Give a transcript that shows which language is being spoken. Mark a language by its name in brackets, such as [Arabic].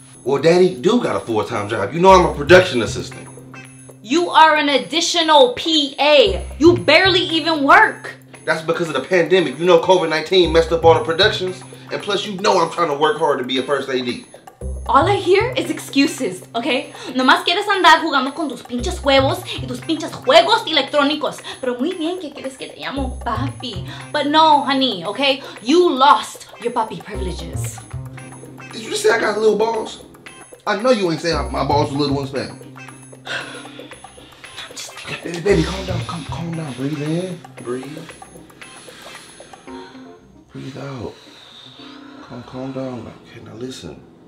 [English] Well, daddy do got a full-time job. You know I'm a production assistant. You are an additional PA. You barely even work. That's because of the pandemic. You know COVID-19 messed up all the productions. And plus, you know I'm trying to work hard to be a first AD. All I hear is excuses, okay? [Spanish] Nomás quieres andar jugando con tus pinches huevos y tus pinches juegos electrónicos. Pero muy bien que quieres que te llamo papi. [English] But no, honey, okay? You lost your papi privileges. Did you just say I got little balls? I know you ain't saying my balls are little ones, man. Baby, calm down. Calm down. Breathe in. Breathe. Breathe out. Calm down. Okay, now listen.